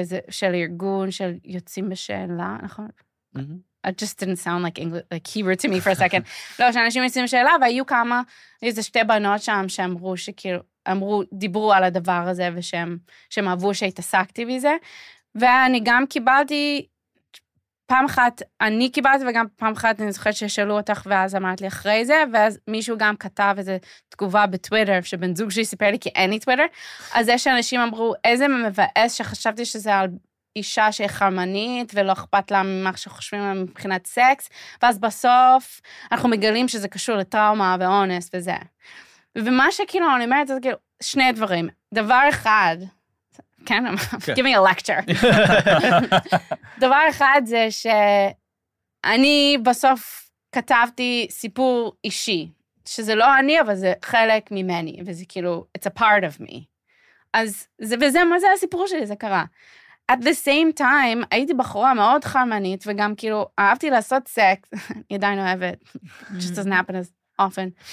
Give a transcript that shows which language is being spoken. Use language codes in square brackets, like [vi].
[he] של ארגון, של יוצאים בשאלה, נכון? [en] It just didn't sound like English, like Hebrew to me for a second. [he] לא, שאנשים יוצאים בשאלה, והיו כמה, איזה שתי בנות שם שאמרו שכאילו, אמרו, דיברו על הדבר הזה, ושהם, שהם אהבו שהתעסקתי בזה. ואני גם קיבלתי, פעם אחת אני קיבלתי, וגם פעם אחת אני זוכרת ששאלו אותך, ואז אמרת לי אחרי זה, ואז מישהו גם כתב איזו תגובה בטוויטר, שבן זוג שלי סיפר לי, כי אין לי טוויטר, אז זה שאנשים אמרו, איזה מבאס שחשבתי שזה על אישה שחרמנית, ולא אכפת לה ממך שחושבים מבחינת סקס, ואז בסוף אנחנו מגלים שזה קשור לטראומה ואונס וזה. ומה שכאילו אני אומרת, זה כאילו שני דברים. דבר אחד, כן, [en] give me a lecture. [he] דבר אחד זה שאני בסוף כתבתי סיפור אישי, שזה לא אני, אבל זה חלק ממני, וזה כאילו, [en] it's a part of me. [he] אז זה, וזה מה זה הסיפור שלי, זה קרה. [en] At the same time, [he] הייתי בחורה מאוד חרמנית, וגם כאילו אהבתי לעשות סקס, אני עדיין אוהבת, [en] it just doesn't happen as often.